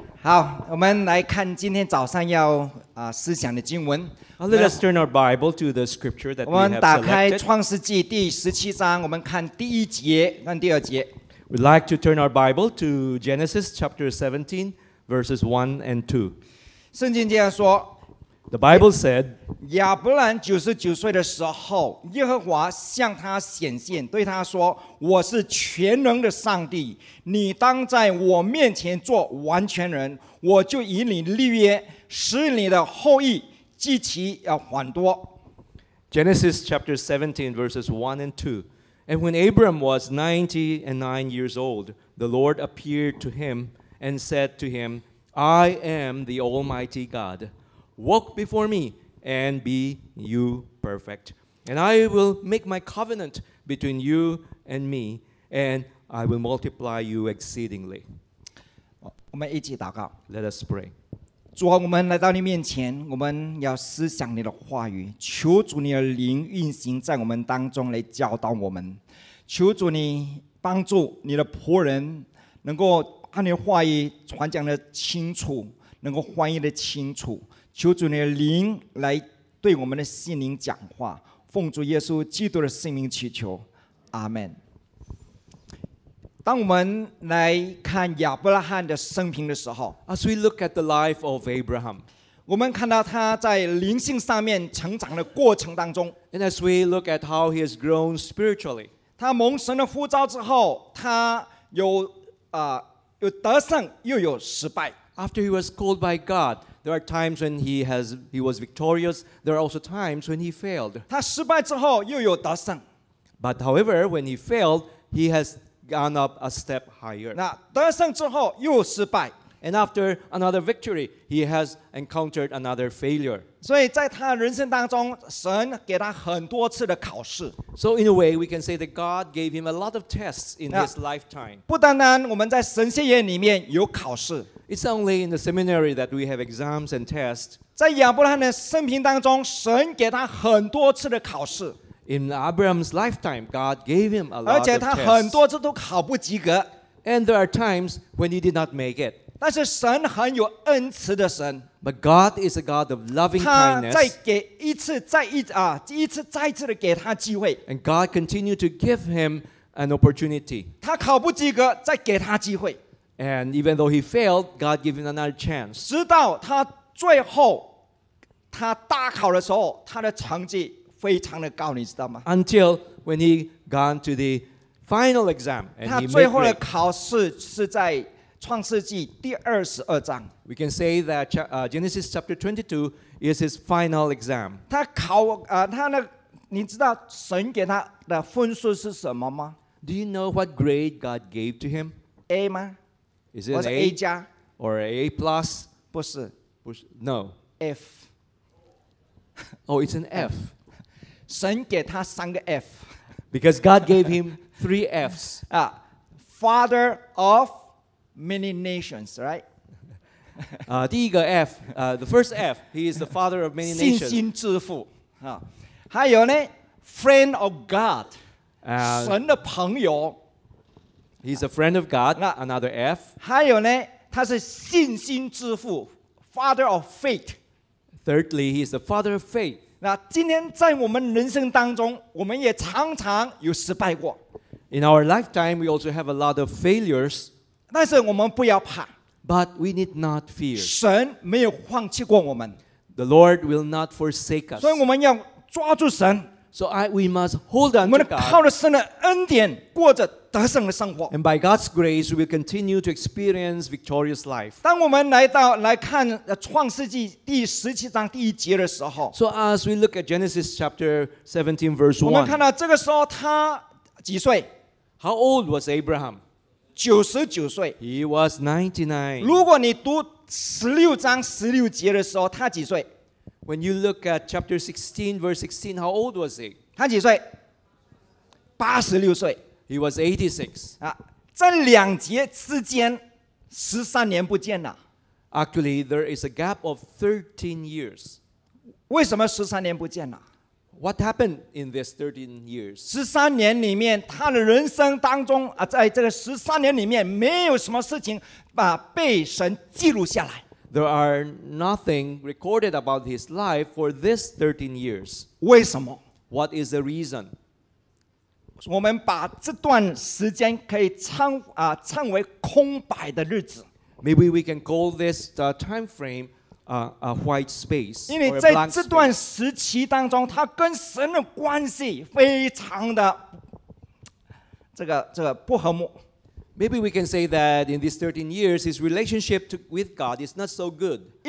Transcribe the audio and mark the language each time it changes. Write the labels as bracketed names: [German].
[Chinese] 好，我们来看今天早上要思想的经文。 [English] Let us turn our Bible to the scripture that we have selected. [Chinese] 我们打开创世纪第十七章，我们看第一节跟第二节。 [English] We'd like to turn our Bible to Genesis chapter 17, verses 1 and 2. [Chinese] 圣经这样说。 [English] The Bible said, [Chinese] 亚伯兰99岁的时候，耶和华向他显现，对他说，我是全能的上帝，你当在我面前做完全人，我就与你立约，使你的后裔极其繁多。 [English] Genesis chapter 17 verses 1 and 2. And when Abram was 99 years old, the Lord appeared to him and said to him, I am the Almighty God. Walk before me and be you perfect. And I will make my covenant between you and me, and I will multiply you exceedingly. [Chinese] 我们一起祷告。 [English] Let us pray. [Chinese] 主啊，我们来到你面前，我们要思想你的话语，求主你的灵运行在我们当中来教导我们，求主你帮助你的仆人能够把你的话语传讲的清楚，能够翻译的清楚，求主你的灵来对我们的心灵讲话，奉主耶稣基督的圣名祈求，阿们。当我们来看亚伯拉罕的生平的时候， [English] As we look at the life of Abraham, [Chinese] 我们看到他在灵性上面成长的过程当中， [English] And as we look at how he has grown spiritually, [Chinese] 他蒙神的呼召之后，他有得胜又有失败。 [English] After he was called by GodThere are times when he was victorious. There are also times when he failed. [Chinese] 他失败之后又有得胜。 [English] But however, when he failed, he has gone up a step higher. [Chinese] 那得胜之后又失败。 [English] And after another victory, he has encountered another failure. [Chinese] 所以在他人生当中，神给他很多次的考试。 [English] So in a way, we can say that God gave him a lot of tests in his lifetime. [Chinese] 不单单我们在神学院里面有考试。 [English] It's only in the seminary that we have exams and tests. [Chinese] 在亚伯拉罕的生平当中，神给他很多次的考试。 [English] In Abraham's lifetime, God gave him a lot of tests. [Chinese] 而且他很多次都考不及格。 [English] And there are times when he did not make it. [Chinese] 但是神很有恩慈的神。 [English] But God is a God of loving kindness. [Chinese] 他再给一次，再一啊，一次再一次的给他机会。 [English] And God continued to give him an opportunity. [Chinese] 他考不及格，再给他机会。 [English] And even though he failed, God gave him another chance. [Chinese] 直到他最后，他大考的时候，他的成绩非常的高，你知道吗？ [English] Until when he gone to the final exam, and [Chinese] 他最后的考试是在创世纪第二十二章。 [English] We can say that Genesis chapter 22 is his final exam. [Chinese] 他考他那，你知道神给他的分数是什么吗？ [English] Do you know what grade God gave to him? [Chinese] A 吗？ [English] Is it [Chinese] A 加 [English] or A plus? [Chinese] 不是，不是 ， [English] No. F. Oh, it's an F. 神给他三个 F. Because God gave him three F's. Father of many nations, right? [Chinese] 第一个 [English] F, the first F, he is the father of many nations. [Chinese] 信心之父。还有呢 ， [English] friend of God, [Chinese] 神的朋友。 [English] He's a friend of God, another F. [Chinese] 还有呢，他是信心之父 ， [English] father of faith. Thirdly, he is the father of faith. [Chinese] 那今天在我们人生当中，我们也常常有失败过。 [English] In our lifetime, we also have a lot of failures. [Chinese] 但是我们不要怕。 [English] But we need not fear. [Chinese] 神没有放弃过我们。 [English] The Lord will not forsake us. [Chinese] 所以我们要抓住神。 [English] So we must hold on to God. [Chinese] 我们靠着神的恩典，过着得胜的生活。 [English] And by God's grace, we will continue to experience victorious life. [Chinese] 当我们来看创世纪第十七章第一节的时候 [English] ，So as we look at Genesis chapter 17, verse 1, [Chinese] 我们看到这个时候他几岁 [English] ？How old was Abraham? [Chinese] 99岁。 [English] He was 99. [Chinese] 如果你读十六章十六节的时候，他几岁？ [English] When you look at chapter 16, verse 16, how old was he? [Chinese] 他几岁？86岁。 [English] He was 86. [Chinese] 这两节之间13年不见了。 [English] Actually, there is a gap of 13 years. [Chinese] 为什么13年不见了 [English] ？What happened in these 13 years? [Chinese] 十三年里面，他的人生当中在这个十三年里面，没有什么事情被神记录下来。 [English] There are nothing recorded about his life for this 13 years. [Chinese] 为什么？ [English] What is the reason? [Chinese] 我们把这段时间可以称为空白的日子。 [English] Maybe we can call this time frame a white space. [Chinese] 因为在这段时期当中，他跟神的关系非常的这个不和睦。 [English] Maybe we can say that in these 13 years, his relationship with God is not so good.